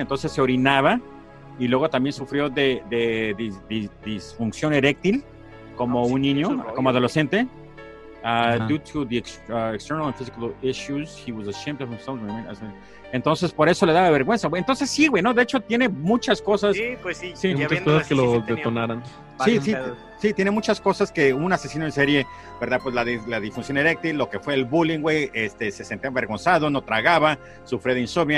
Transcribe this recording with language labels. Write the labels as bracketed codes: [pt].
[es] Entonces se orinaba y luego también sufrió de disfunción eréctil como un niño, como adolescente. [en] Due to the external and physical issues, he was ashamed of himself. [es] Entonces, por eso le daba vergüenza. Entonces, sí, güey, ¿no? De hecho, tiene muchas cosas. Sí, pues sí. Sí, muchas cosas que lo detonaran. Sí, sí, sí, tiene muchas cosas que un asesino en serie, ¿verdad? Pues la disfunción eréctil, lo que fue el bullying, güey, se sentía avergonzado, no tragaba, sufría de insomnio.